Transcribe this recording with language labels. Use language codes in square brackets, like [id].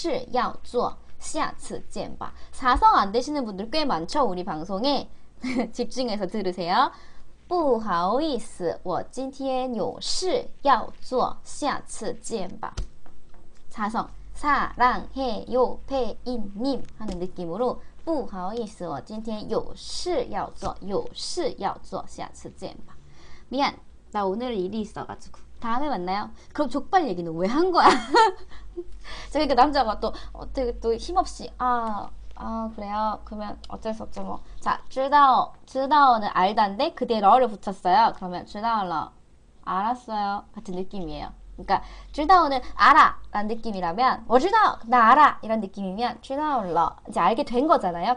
[zh] 不好意思，我今天有事要做，下次见吧。 [ko] 사성 안 되시는 분들 꽤 많죠? 우리 방송에 집중해서 들으세요. [zh] 不好意思，我今天有事要做，下次见吧。 [ko] 사성 사랑해요 페이님 하는 느낌으로 [zh] 不好意思，我今天有事要做，有事要做，下次见吧。 [ko] 미안. 나 오늘 일이 있어가지고 다음에 만나요. 그럼 족발 얘기는 왜한 거야? 그러니까 남자가 또 어떻게 또 힘없이 그래요. 그러면 어쩔 수 없죠 뭐. 자, 知道, 知道는 알단데 그 뒤에 러를 붙였어요. 그러면 知道了, 알았어요 같은 느낌이에요. 그러니까 知道는 알아라는 느낌이라면 我知道, 나 알아 이런 느낌이면 知道了, 이제 알게 된 거잖아요.